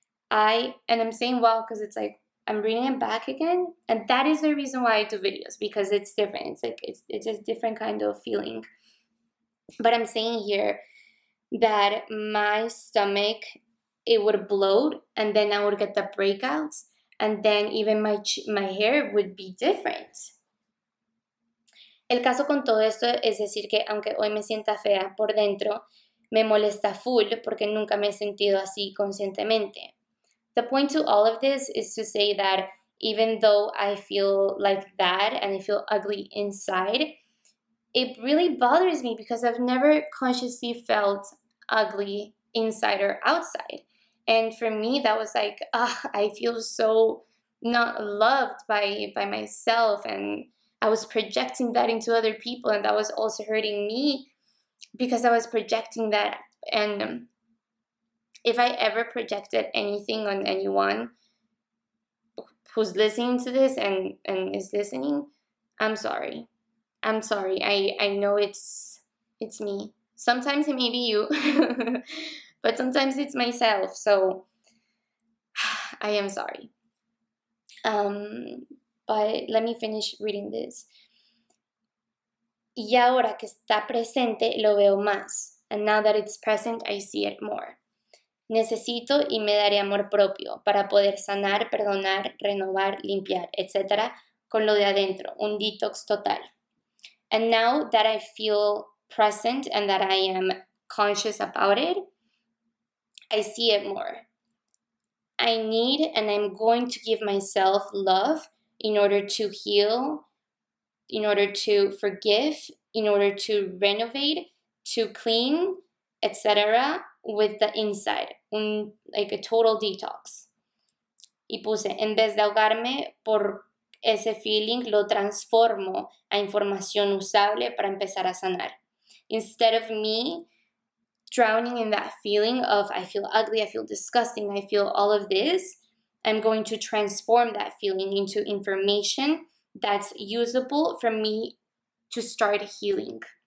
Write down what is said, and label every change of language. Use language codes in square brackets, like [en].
[en] I'm saying wow because it's like I'm bringing it back again, and that is the reason why I do videos, because it's different. It's like it's a different kind of feeling. But I'm saying here that my stomach, it would bloat, and then I would get the breakouts, and then even my hair would be different. [es] El caso con todo esto es decir que aunque hoy me sienta fea por dentro, me molesta full porque nunca me he sentido así conscientemente. [en] The point to all of this is to say that even though I feel like that and I feel ugly inside, it really bothers me because I've never consciously felt ugly inside or outside. And for me, that was like, ugh, I feel so not loved by myself, and I was projecting that into other people, and that was also hurting me because I was projecting that. And if I ever projected anything on anyone who's listening to this and is listening, I'm sorry. I'm sorry. I know it's me. Sometimes it may be you, but sometimes it's myself. So I am sorry. But let me finish reading this. [es] Y ahora que está presente, lo veo más. [en] And now that it's present, I see it more. [es] Necesito y me daré amor propio para poder sanar, perdonar, renovar, limpiar, etc. con lo de adentro, un detox total. [en] And now that I feel present and that I am conscious about it, I see it more. I need and I'm going to give myself love in order to heal, in order to forgive, in order to renovate, to clean, etc. with the inside, like a total detox. [es] Y puse, en vez de ahogarme por ese feeling, lo transformo a información usable para empezar a sanar. [en] Instead of me drowning in that feeling of I feel ugly, I feel disgusting, I feel all of this, I'm going to transform that feeling into information that's usable for me to start healing.